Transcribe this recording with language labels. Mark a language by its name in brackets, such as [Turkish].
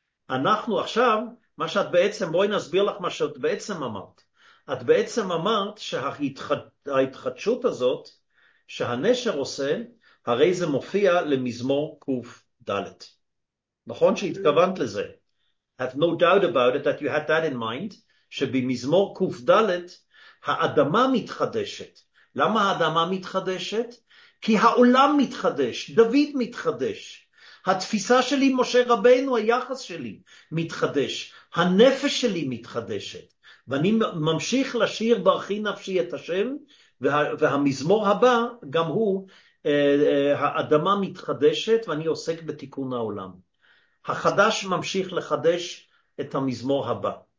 [Hebrew] אנחנו עכשיו, מה שאת בעצם, בואי נסביר לך מה שאת בעצם אמרת. את בעצם אמרת שההתחדשות הזאת שהנשר עושה, הרי זה מופיע למזמור קוף דלת. נכון שהתכוונת לזה? [English] Have no doubt about it that you had that in mind, [Hebrew] שבמזמור קוף דלת האדמה מתחדשת. למה האדמה מתחדשת? כי העולם מתחדש, דוד מתחדש. התפיסה שלי, משה רבנו, היחס שלי מתחדש. הנפש שלי מתחדשת. ואני ממשיך לשיר ברכי נפשי את השם, והמזמור הבא, גם הוא, האדמה מתחדשת, ואני עוסק בתיקון העולם. החדש ממשיך לחדש את המזמור הבא.